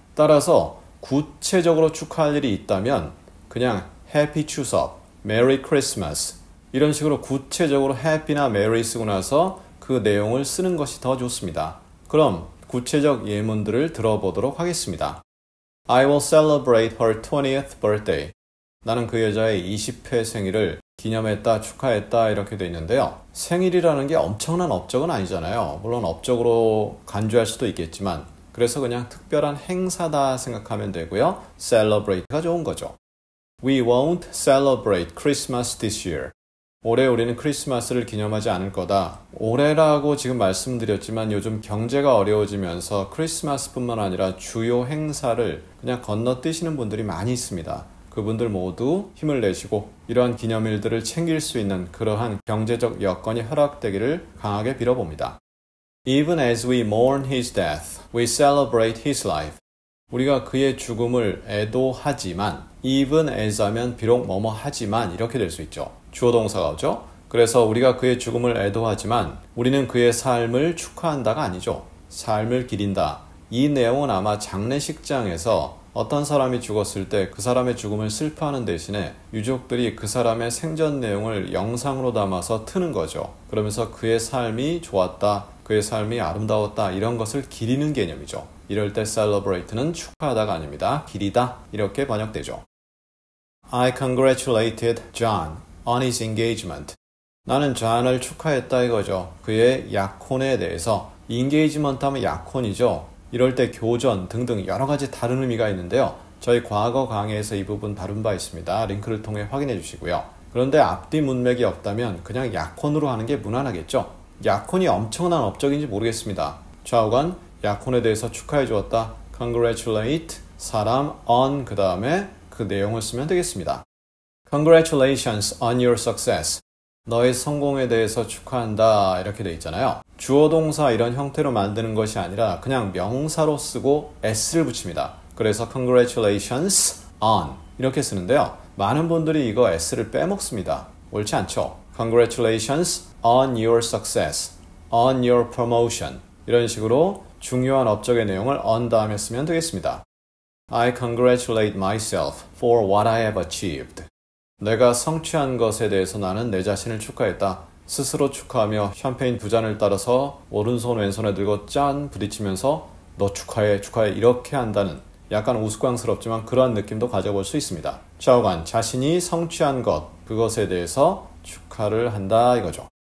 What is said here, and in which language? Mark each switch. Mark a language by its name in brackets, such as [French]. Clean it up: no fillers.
[Korean] 따라서 구체적으로 축하할 일이 있다면 그냥 Happy 추석, Merry Christmas 이런 식으로 구체적으로 Happy나 Merry 쓰고 나서 그 내용을 쓰는 것이 더 좋습니다. 그럼 구체적 예문들을 들어보도록 하겠습니다. [English] I will celebrate her 20th birthday. [Korean] 나는 그 여자의 20회 생일을 기념했다, 축하했다 이렇게 돼 있는데요. 생일이라는 게 엄청난 업적은 아니잖아요. 물론 업적으로 간주할 수도 있겠지만 그래서 그냥 특별한 행사다 생각하면 되고요. Celebrate가 좋은 거죠. [English] We won't celebrate Christmas this year. [Korean] 올해 우리는 크리스마스를 기념하지 않을 거다. 올해라고 지금 말씀드렸지만 요즘 경제가 어려워지면서 크리스마스뿐만 아니라 주요 행사를 그냥 건너뛰시는 분들이 많이 있습니다. 그분들 모두 힘을 내시고 이러한 기념일들을 챙길 수 있는 그러한 경제적 여건이 허락되기를 강하게 빌어봅니다. [English] Even as we mourn his death, we celebrate his life. [Korean] 우리가 그의 죽음을 애도하지만 even as 하면 비록 뭐뭐 하지만 이렇게 될 수 있죠. 주어 동사가 오죠. 그래서 우리가 그의 죽음을 애도하지만 우리는 그의 삶을 축하한다가 아니죠. 삶을 기린다. 이 내용은 아마 장례식장에서 어떤 사람이 죽었을 때 그 사람의 죽음을 슬퍼하는 대신에 유족들이 그 사람의 생전 내용을 영상으로 담아서 트는 거죠. 그러면서 그의 삶이 좋았다, 그의 삶이 아름다웠다 이런 것을 기리는 개념이죠. 이럴 때 celebrate는 축하하다가 아닙니다. 기리다 이렇게 번역되죠. [English] I congratulated John on his engagement. [Korean] 나는 존을 축하했다 이거죠. 그의 약혼에 대해서 engagement 하면 약혼이죠. 이럴 때 교전 등등 여러 가지 다른 의미가 있는데요. 저희 과거 강의에서 이 부분 다룬 바 있습니다. 링크를 통해 확인해 주시고요. 그런데 앞뒤 문맥이 없다면 그냥 약혼으로 하는 게 무난하겠죠. 약혼이 엄청난 업적인지 모르겠습니다. 좌우간 약혼에 대해서 축하해 주었다. Congratulate 사람 on 그 다음에 그 내용을 쓰면 되겠습니다. [English] Congratulations on your success. [Korean] 너의 성공에 대해서 축하한다 이렇게 돼 있잖아요. 주어 동사 이런 형태로 만드는 것이 아니라 그냥 명사로 쓰고 s를 붙입니다. 그래서 congratulations on 이렇게 쓰는데요. 많은 분들이 이거 s를 빼먹습니다. 옳지 않죠. [English] Congratulations on your success, on your promotion [Korean] 이런 식으로 중요한 업적의 내용을 on 다음에 쓰면 되겠습니다. [English] I congratulate myself for what I have achieved. [Korean] 내가 성취한 것에 대해서 나는 내 자신을 축하했다. 스스로 축하하며 샴페인 두 잔을 따라서 오른손 왼손에 들고 짠 부딪히면서 너 축하해 축하해 이렇게 한다는 약간 우스꽝스럽지만 그러한 느낌도 가져볼 수 있습니다. 좌우간 자신이 성취한 것 그것에 대해서 축하를 한다 이거죠.